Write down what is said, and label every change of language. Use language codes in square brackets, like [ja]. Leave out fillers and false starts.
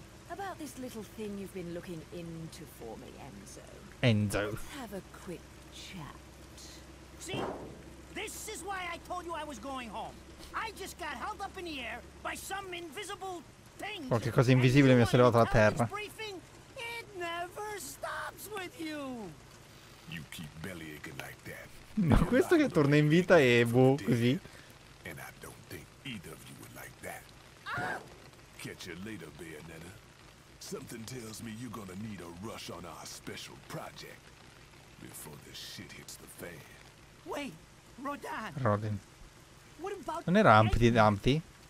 [en] About this little thing you've been looking into for me, Enzo. Enzo. Let's have a quick chat. See? This is why I told you I was going home. I just got held up in the air by some invisible thing. [it] Qualche cosa invisibile mi ha sollevato dalla terra. [en] It never stops with you. You keep bellyaching like that. [it] Ma questo che torna in vita è boh, così. [en] And I don't think either of you would like that. Catch you later, Bayonetta. Something tells me you're gonna need a rush on our special project before this shit hits the fan. Wait, Rodan. Rodin. What about [it] non era [en] Humpty Dumpty?